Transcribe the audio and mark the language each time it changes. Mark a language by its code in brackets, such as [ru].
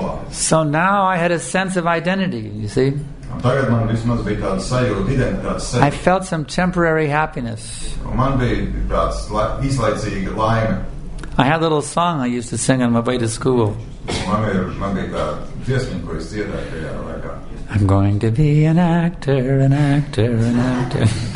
[en] So now I had a sense of identity, you see. [lv] Tagad man vismaz bija tāda sajūta identitātes sevi. [en] I felt some temporary happiness. [lv] Un man bija tāds izlaicīga laime. [en] I had a little song I used to sing on my way to school. [lv] Man bija tāda dziesmiņa, ko es dziedāju tajā laikā. [en] I'm going to be an actor, an actor, an actor.